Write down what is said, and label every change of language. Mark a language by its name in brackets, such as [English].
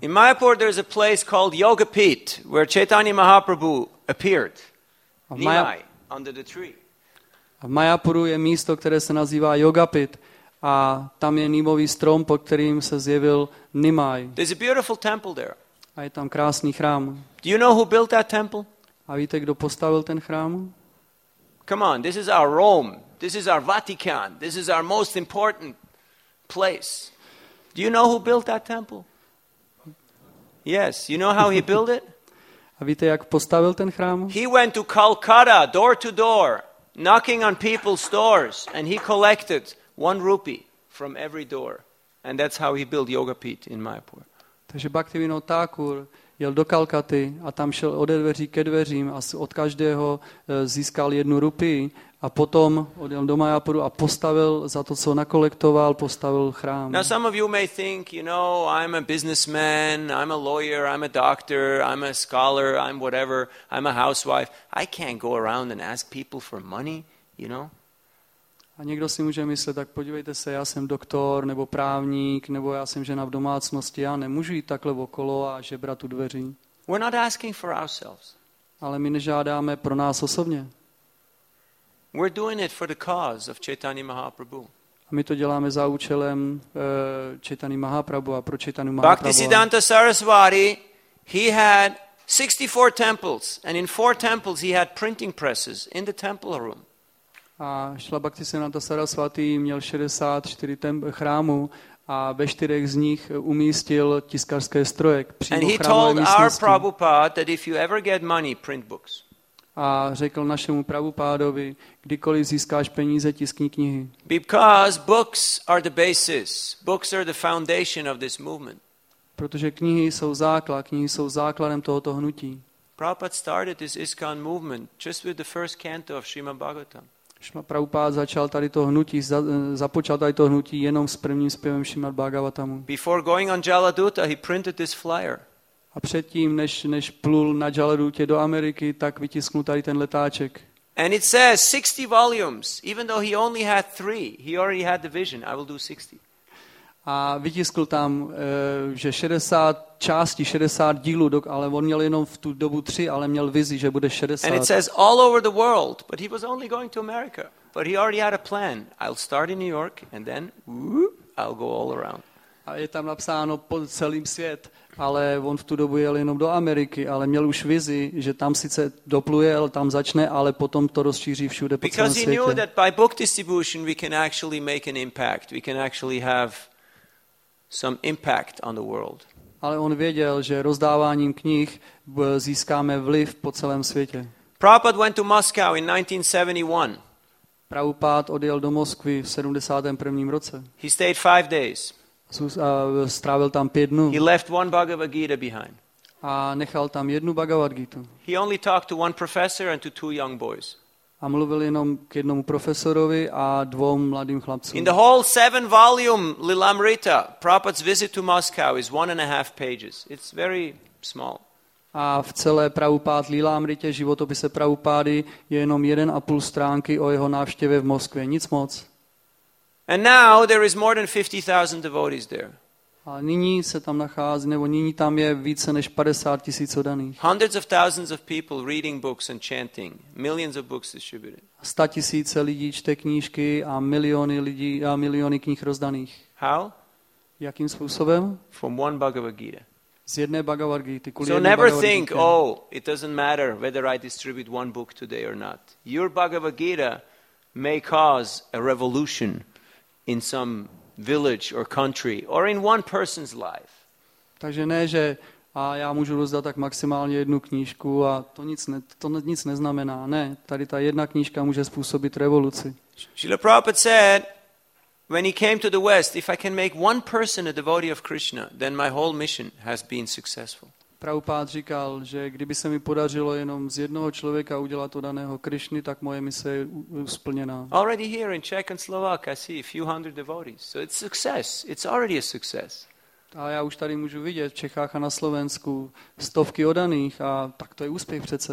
[English] In Mayapur there is a place called Yoga Pit where Chaitanya Mahaprabhu appeared. Nearby, under the tree. [Czech] A v Mayapuru je místo, které se nazývá Yoga Pit A tam je nímový strom, pod kterým se zjevil Nimaj. [English] There's a beautiful temple there. [Czech] A je tam krásný chrám. [English] Do you know who built that temple? [Czech] A víte, kdo postavil ten chrám? [English] Come on, this is our Rome. This is our Vatican. This is our most important place. Do you know who built that temple? Yes, you know how he built it? [Czech] A víte, jak postavil ten chrám? [English] He went to Calcutta, door to door, knocking on people's doors, and he collected 1 rupee from every door. And that's how he built Yogapith in Mayapur. [Czech] Takže Bhaktivinoda Thakur jel do Kalkaty a tam šel ode dveří ke dveřím a od každého získal 1 rupii a potom odjel do Mayapuru a postavil za to, co nakolektoval, postavil chrám. [English] Now some of you may think, you know, I'm a businessman, I'm a lawyer, I'm a doctor, I'm a scholar, I'm whatever, I'm a housewife. I can't go around and ask people for money, you know? [Czech] A někdo si může myslet, tak podívejte se, já jsem doktor, nebo právník, nebo já jsem žena v domácnosti, já nemůžu jít takhle okolo a žebrat u dveří. [English] We're not asking for ourselves. [Czech] Ale my nežádáme pro nás osobně. [English] We're doing it for the cause of Chaitanya Mahaprabhu. [Czech] A my to děláme za účelem Chaitanya Mahaprabhu a pro Chaitanya Mahaprabhu. [English] Bhaktisiddhanta Saraswati, he had 64 temples and in 4 temples he had printing presses in the temple room. [Czech] A Šrila Bhaktisiddhanta Saraswati měl 64 chrámů a ve 4 z nich umístil tiskařské stroje přímo v chrámové. A řekl našemu Prabhupádovi, kdykoliv získáš peníze, tiskni knihy. [English] Because books are the basis. Books are the foundation of this movement. [Czech] Protože knihy jsou základ, knihy jsou základem tohoto hnutí. [English] Prabhupada started this ISKCON movement just with the first canto of Srimad Bhagavatam. [Czech] Prabhupád začal tady to hnutí, započal tady to hnutí jenom s prvním zpěvem Srimad Bhagavatamu. [English] Before going on Jaladuta, he printed this flyer. [Czech] A předtím, než plul na Jaladutě do Ameriky, tak vytisknul tady ten letáček. [English] And it says 60 volumes, even though he only had 3, he already had the vision, I will do 60. [Czech] A vytiskl tam, že 60 částí, 60 dílů, ale on měl jenom v tu dobu 3, ale měl vizi, že bude 60. [English] And it says all over the world, but he was only going to America. But he already had a plan. I'll start in New York and then I'll go all around. [Czech] A je tam napsáno po celém svět, ale on v tu dobu jel jenom do Ameriky, ale měl už vizi, že tam sice dopluje, ale tam začne, ale potom to rozšíří všude po celém světě. [English] Because he knew that by book distribution we can actually make an impact. We can actually have some impact on the world. [Czech] Ale on věděl, že rozdáváním knih získáme vliv po celém světě. [English] Prabhupada went to Moscow in 1971. [Czech] Prabhupada odjel do Moskvy v 71. roce. [English] He stayed 5 days. [Czech] Strávil tam 5 dnů. [English] He left 1 Bhagavad Gita behind. [Czech] A nechal tam 1 Bhagavad Gita. [English] He only talked to 1 professor and to 2 young boys. [Czech] A mluvil jenom k jednomu profesorovi a 2 mladým chlapcům. [English] In the whole 7-volume Lilamrita, Prabhupada's visit to Moscow is 1.5 pages. It's very small. [Czech] A v celé Prabhupád Lilamritě, životopise Prabhupády, je jenom 1.5 stránky o jeho návštěvě v Moskvě. Nic moc. [English] And now there is more than 50,000 devotees there. [Czech] A nyní se tam nachází, nebo nyní tam je více než 50 tisíc odaných. [English] Hundreds of thousands of people reading books and chanting. Millions of books distributed. [Czech] 100 000 lidí čte knížky a miliony lidí a miliony knih rozdaných. [English] How? [Czech] Jakým způsobem? [English] From 1 Bhagavad Gita. [Czech] Z jedné Bhagavad Gita. [English] So never think, oh, it doesn't matter whether I distribute 1 book today or not. Your Bhagavad Gita may cause a revolution in some village or country or in one person's life. [Czech] Takže ne, že a já můžu rozdat tak maximálně 1 knížku a to nic neznamená. Ne, tady ta jedna knížka může způsobit revoluci. [English] Srila Prabhupada said when he came to the West, if I can make 1 person a devotee of Krishna, then my whole mission has been successful. [Czech] Prabhupada říkal, že kdyby se mi podařilo jenom z jednoho člověka udělat to daného Krišny, tak moje mise je splněná. [English] Already here in Czech and Slovak, I see a few hundred devotees. So it's success. It's already a success. [Czech] A já už tady můžu vidět v Čechách a na Slovensku stovky odaných a tak to je úspěch přece.